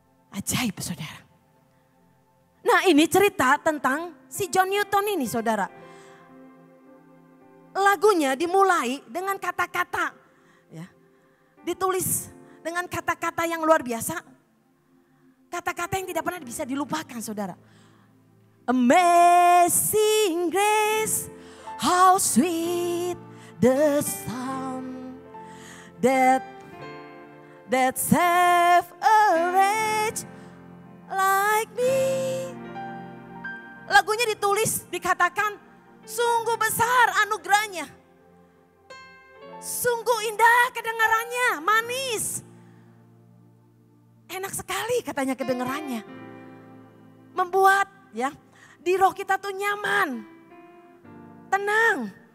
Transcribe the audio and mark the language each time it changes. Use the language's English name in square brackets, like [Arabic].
[Indonesian] Ajaib, saudara. Nah, ini cerita tentang si John Newton ini, saudara. Lagunya dimulai dengan kata-kata, ya, ditulis dengan kata-kata yang luar biasa. Kata-kata yang tidak pernah bisa dilupakan, saudara. [English] Amazing grace, how sweet the sound that saved a wretch like me. [Indonesian] Lagunya ditulis, dikatakan, sungguh besar anugerahnya. Sungguh indah kedengarannya, manis. Enak sekali katanya kedengarannya. Membuat ya di roh kita tuh nyaman, tenang.